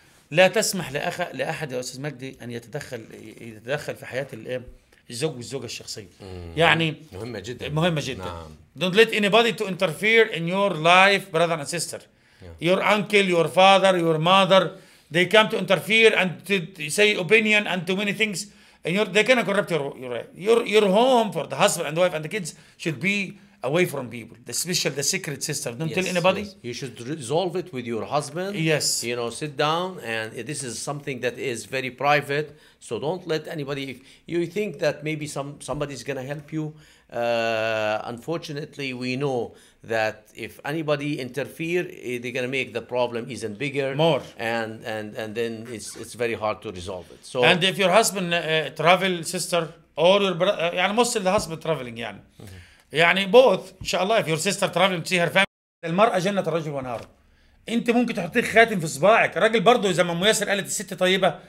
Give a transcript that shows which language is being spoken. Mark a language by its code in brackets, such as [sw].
[ar] لا تسمح لأحد يا أستاذ مجدي أن يتدخل في حياة الزوج والزوجة الشخصية. يعني مهمة جدا. نعم. [en] Don't let anybody to interfere in your life, brother and sister. Yeah. Your uncle, your father, your mother, they come to interfere and to say opinion and too many things. And they cannot corrupt your home for the husband and the wife and the kids should be away from people. Especially the secret sister. Don't tell anybody. Yes. You should resolve it with your husband. Yes. You know, sit down. And this is something that is very private. So don't let anybody, if you think that maybe somebody's going to help you, unfortunately, we know that if anybody interfere, they're gonna make the problem even bigger. More and then it's very hard to resolve it. So and if your husband travel, sister, or your brother, yeah, most of the husband traveling, yeah, يعني both. Inshallah, if your sister traveling, see her family. [ar] المرأة جنة الرجل ونار. أنت ممكن تحطي خاتم في صباعك. رجل برضو زي ما مياسر قالت الست طيبة.